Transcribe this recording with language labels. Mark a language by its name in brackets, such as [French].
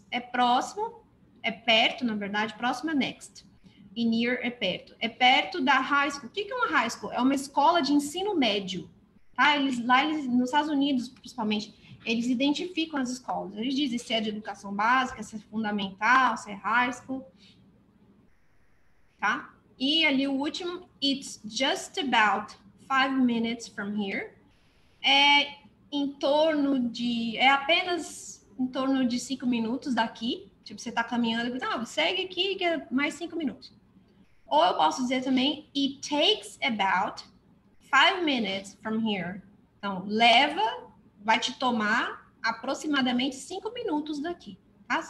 [Portuguese] É próximo, é perto, na verdade, próximo é next. E near é perto. É perto da high school. O que é uma high school? É uma escola de ensino médio. Tá? Eles, lá eles, nos Estados Unidos, principalmente, eles identificam as escolas. Eles dizem se é de educação básica, se é fundamental, se é high school. Tá? E ali o último, [English] it's just about 5 minutes from here. [Portuguese] É em torno de, é apenas em torno de 5 minutos daqui. Tipo, você tá caminhando, não, segue aqui que é mais 5 minutos. Ou eu posso dizer também, [English] it takes about 5 minutes from here. [Portuguese] Então, leva, vai te tomar aproximadamente 5 minutos daqui. Tá?